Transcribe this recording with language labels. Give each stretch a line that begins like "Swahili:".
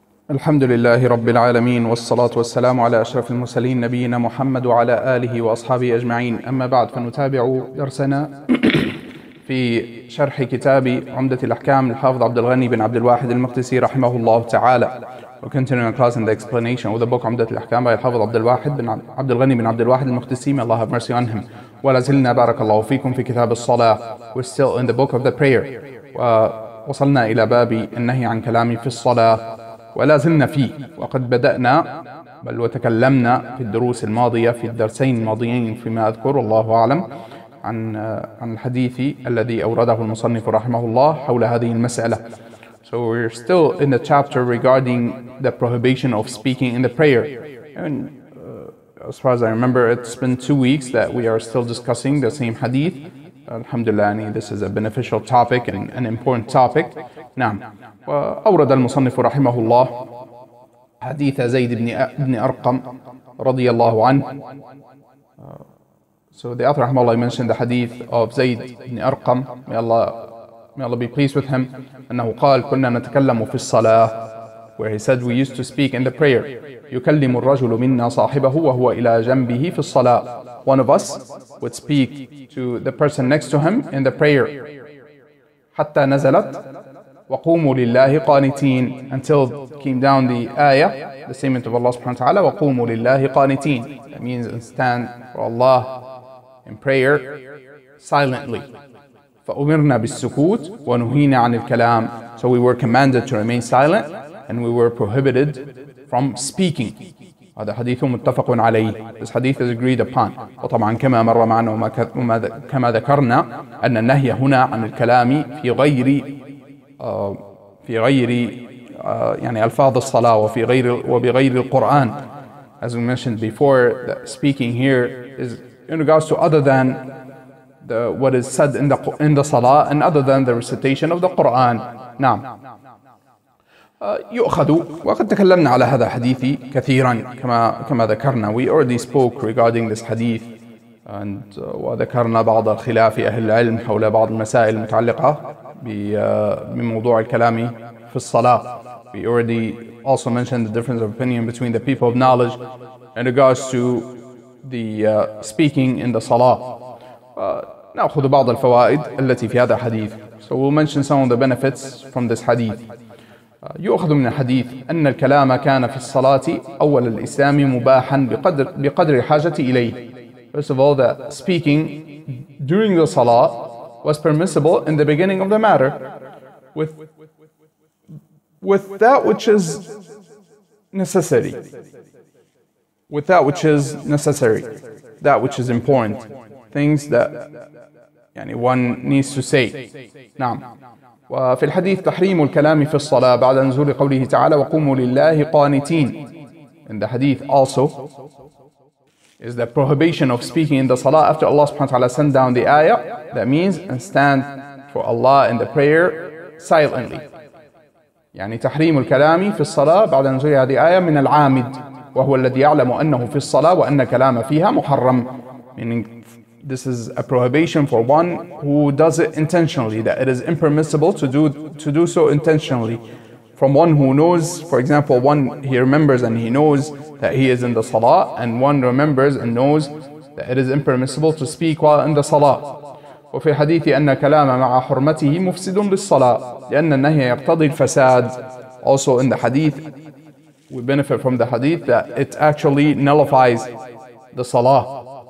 Arabic: الحمد لله رب العالمين، والصلاة والسلام على أشرف المرسلين نبينا محمد وعلى آله وأصحابه أجمعين. أما بعد، فنتابع درسنا في شرح كتاب عمدة الأحكام للحافظ عبد الغني بن عبد الواحد المقدسي رحمه الله تعالى.
English: We're continuing our class in the explanation of the book عمدة الأحكام by الحافظ عبد الغني بن عبد الواحد المقدسي. May Allah have mercy on him.
Arabic: ولازلنا بارك الله فيكم في كتاب الصلاة.
English: We're still in the book of the prayer.
Arabic: وصلنا إلى باب النهي عن كلامي في الصلاة، ولا زلنا فيه، وقد بدأنا بل وتكلمنا في الدروس الماضية في الدرسين الماضيين فيما أذكر الله أعلم عن الحديث الذي أورده المصنف رحمه الله حول هذه المسألة.
English: So we're still in the chapter regarding the prohibition of speaking in the prayer. And as far as I remember, it's been 2 weeks that we are still discussing the same hadith. Alhamdulillah, this is a beneficial topic and an important topic.
Arabic: نعم. وأورد المصنف رحمه الله حديث زيد بن أرقم رضي الله عنه.
English: So the author رحمه الله mentioned the hadith of زيد بن أرقم. May Allah be pleased with him.
Arabic: أنه قال كنا نتكلم في الصلاة.
English: Where he said we used to speak in the prayer.
Arabic: يكلم الرجل منا صاحبه وهو إلى جنبه في الصلاة.
English: One of us would speak to the person next to him in the prayer.
Arabic: حتى نزلت وقوموا لله قانتين.
English: Until came down the ayah, the statement of Allah subhanahu wa ta'ala,
Arabic: وقوموا لله قانتين.
English: That means stand for Allah in prayer silently.
Arabic: فأمرنا بالسكوت ونهينا عن الكلام.
English: So we were commanded to remain silent and we were prohibited from speaking.
Arabic: هذا حديث متفق عليه.
English: This hadith is agreed upon.
Arabic: وطبعا كما مر معنا وكما ذكرنا أن النهي هنا عن الكلام في غير ألفاظ الصلاة وبغير القرآن.
English: As we mentioned before, that speaking here is in regards to other than what is said in the salah and other than the recitation of the Quran.
Arabic: نعم. يؤخذ، وقد تكلمنا على هذا الحديث كثيرا كما ذكرنا.
English: We already spoke regarding this hadith and
Arabic: وذكرنا بعض الخلاف أهل العلم حول بعض المسائل المتعلقة بموضوع الكلام في الصلاة.
English: We already also mentioned the difference of opinion between the people of knowledge in regards to the speaking in the salah.
Arabic: نأخذ بعض الفوائد التي في هذا الحديث.
English: So we'll mention some of the benefits from this hadith.
Arabic: يؤخذ من الحديث أن الكلام كان في الصلاة أول الإسلام مباحا بقدر الحاجة إليه.
English: First of all, that speaking during the salah was permissible in the beginning of the matter with that which is necessary. With that which is necessary. That which is important. Things that one needs to say.
Arabic: نعم. وفي الحديث تحريم الكلام في الصلاة بعد نزول قوله تعالى وقوموا لله قانتين.
English: In the hadith also is the prohibition of speaking in the salah after Allah subhanahu wa ta'ala sent down the ayah. That means and stand for Allah in the prayer silently.
Arabic: يعني تحريم الكلام في الصلاة بعد نزول هذه الآية من العامد وهو الذي يعلم أنه في الصلاة وأن كلام فيها محرم.
English: Meaning this is a prohibition for one who does it intentionally, that it is impermissible to do so intentionally. From one who knows, for example, one he remembers and he knows that he is in the salah, and one remembers and knows that it is impermissible to speak while in the salah.
Arabic: وفي حديث أن كلام مع حرمته مفسد للصلاة لأن النهي يقتضي الفساد.
English: Also in the hadith, we benefit from the hadith that it actually nullifies the salah.